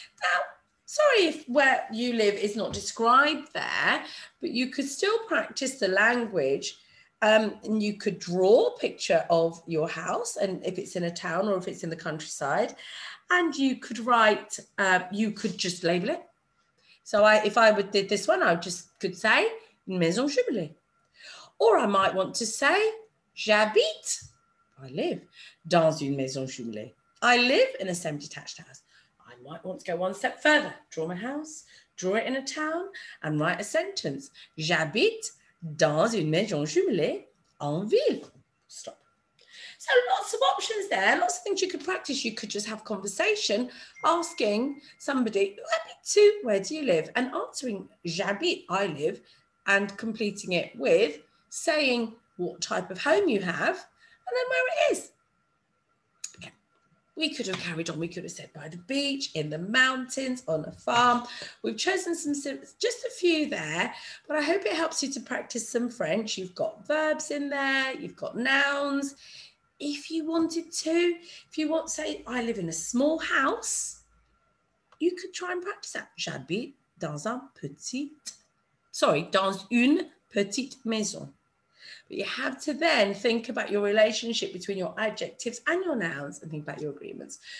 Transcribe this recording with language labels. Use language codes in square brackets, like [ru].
[en] Now, sorry if where you live is not described there, but you could still practice the language and you could draw a picture of your house and if it's in a town or if it's in the countryside, and you could write, you could just label it. So if I did this one, I just could say [fr] une maison jumelée. [en] Or I might want to say, [fr] j'habite, [en] I live, [fr] dans une maison jumelée. [en] I live in a semi-detached house. I might want to go one step further, draw my house, draw it in a town, and write a sentence. [fr] J'habite dans une maison jumelée en ville. Stop. [en] So lots of options there, lots of things you could practice. You could just have conversation asking somebody, where do you live? And answering, [fr] j'habite, [en] I live, and completing it with saying what type of home you have and then where it is. We could have carried on. We could have said by the beach, in the mountains, on a farm. We've chosen some, just a few there, but I hope it helps you to practice some French. You've got verbs in there. You've got nouns. If you wanted to, if you want, say, I live in a small house, you could try and practice that. [fr] J'habite dans un petit, dans une petite maison. [en] But you have to then think about your relationship between your adjectives and your nouns and think about your agreements.